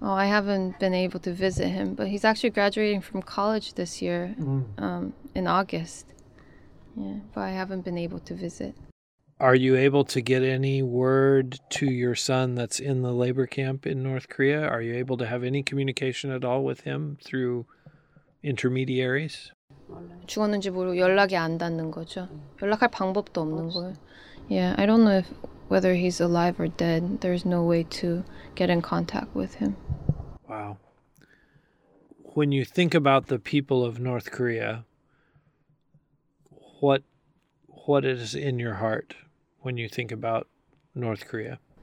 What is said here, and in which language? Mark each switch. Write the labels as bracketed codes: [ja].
[en] Oh, I haven't been able to visit him, but he's actually graduating from college this year, in August. Yeah, but I haven't been able to visit. Are you able to get any word to your son that's in the labor camp in North Korea? Are you able to have any communication at all with him through intermediaries? [ko] 죽었는지 모르고 연락이 안 닿는 거죠. 연락할 방법도 없는 거예요. [en] Yeah, I don't know if whether he's alive or dead. There's no way to get in contact with him. Wow. When you think about the people of North Korea, what is in your heart when you think about North Korea?